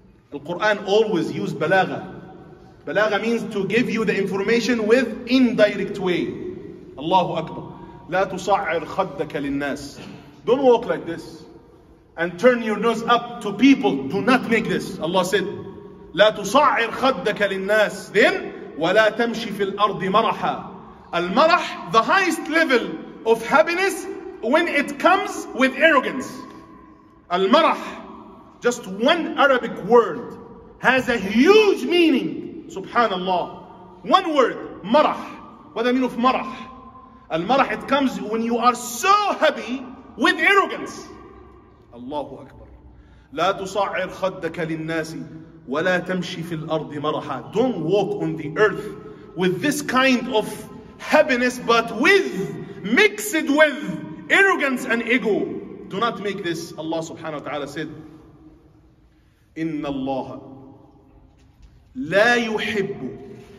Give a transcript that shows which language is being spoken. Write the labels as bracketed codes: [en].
[en] The Quran always used بلاغة. بلاغة means to give you the information with indirect way. [ar] الله أكبر. لا تصعر خدك للناس. [en] Don't walk like this and turn your nose up to people. Do not make this. Allah said, [ar] لا تصعر خدك للناس. [en] Then, [ar] ولا تمشي في الأرض مرحا. [en] المرح, the highest level of happiness when it comes with arrogance. المرح, just one Arabic word has a huge meaning. [ar] سبحان الله. [en] One word, مرح. What does it mean of مرح? المرح, it comes when you are so happy with arrogance. [ar] الله أكبر. لا تصعر خدك للناس ولا تمشي في الأرض مرحا. [en] Don't walk on the earth with this kind of happiness, but with, mixed with arrogance and ego. Do not make this. Allah subhanahu wa ta'ala said, [ar] إن الله لا يحب.